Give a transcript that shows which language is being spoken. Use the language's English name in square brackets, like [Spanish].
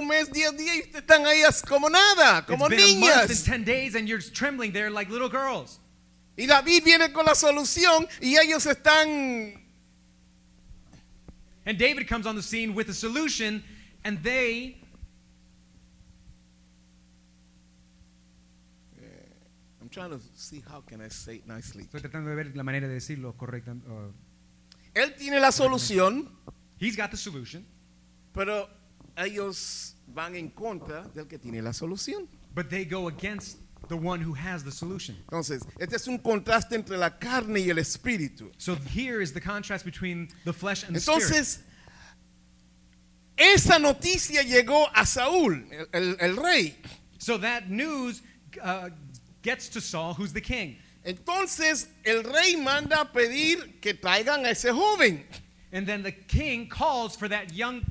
[Spanish] Un mes, 10 días, y ustedes están ahí como nada, como [English] it's been [Spanish] niñas. [English] A month and 10 days, and you're trembling there like little girls. [Spanish] Y David viene con la solución y ellos están. [English] And David comes on the scene with a solution, and they. I'm trying to see how can I say it nicely. [Spanish] Estoy tratando de ver la manera de decirlo correcta. Él tiene la solución. [English] He's got the solution. [Spanish] Pero ellos van en contra del que tiene la solución. [English] But they go against the one who has the solution. [Spanish] Entonces, este es un contraste entre la carne y el espíritu. [English] So here is the contrast between the flesh and [Spanish] entonces, [English] the spirit. [Spanish] Entonces, esa noticia llegó a Saúl, el rey. [English] So that news gets to Saul, who's the king. [Spanish] Entonces, el rey manda a pedir que traigan a ese joven. [English] And then the king calls for that young